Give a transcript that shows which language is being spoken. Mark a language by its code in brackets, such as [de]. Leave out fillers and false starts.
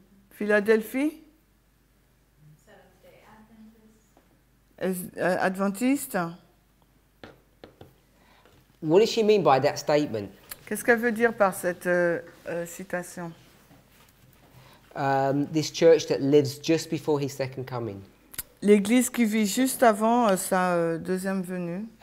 [fr] Philadelphie? Adventiste. [en] What does she mean by that statement? [fr] Qu'est-ce qu'elle veut dire par cette citation? [en] This church that lives just before his second coming. [fr] L'église qui vit juste avant sa deuxième venue.